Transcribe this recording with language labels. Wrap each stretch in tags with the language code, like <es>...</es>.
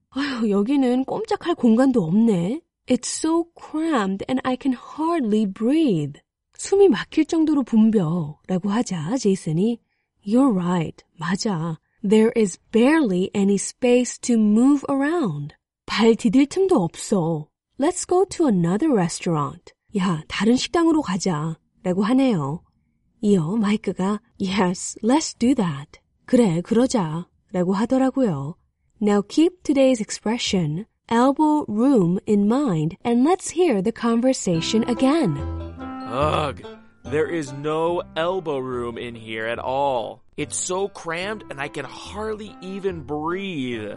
<ko>아유, 여기는 꼼짝할 공간도 없네.</ko> <en>It's so crammed and I can hardly breathe.</en> <ko>숨이 막힐 정도로 붐벼라고 하자 제이슨이</ko> <en>You're right,</en> <ko>맞아.</ko> <en>There is barely any space to move around.</en> <ko>발 디딜 틈도 없어.</ko> <en>Let's go to another restaurant.</en> <ko>야, 다른 식당으로 가자 라고 하네요. 이어 마이크가</ko> <en>Yes, let's do that.</en> <ko>그래, 그러자 라고 하더라고요.</ko> <en>Now keep today's expression, elbow room, in mind and let's hear the conversation again. Ugh, there is no elbow room in here at all. It's so crammed and I can hardly even breathe.</en>